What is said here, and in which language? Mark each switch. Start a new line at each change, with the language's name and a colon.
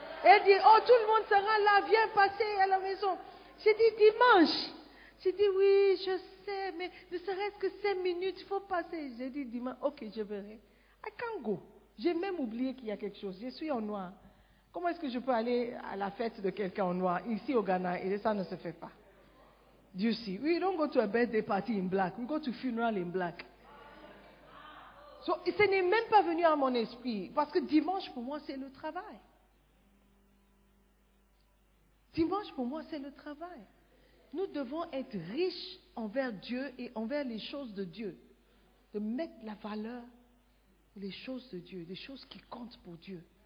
French: Elle dit, oh, tout le monde sera là, viens passer à la maison. J'ai dit, dimanche. J'ai dit, oui, je sais, mais ne serait-ce que 5 minutes, il faut passer. J'ai dit, dimanche, ok, je verrai.
English: I can't go.
French: J'ai même oublié qu'il y a quelque chose. Je suis en noir. Comment est-ce que je peux aller à la fête de quelqu'un en noir, ici au Ghana, et ça ne se fait pas.
English: You see, we don't go to a birthday party in black. We go to funeral in black.
French: So, ce n'est même pas venu à mon esprit, parce que dimanche, pour moi, c'est le travail. Dimanche, pour moi, c'est le travail. Nous devons être riches envers Dieu et envers les choses de Dieu. De mettre la valeur pour les choses de Dieu, les choses qui comptent pour Dieu.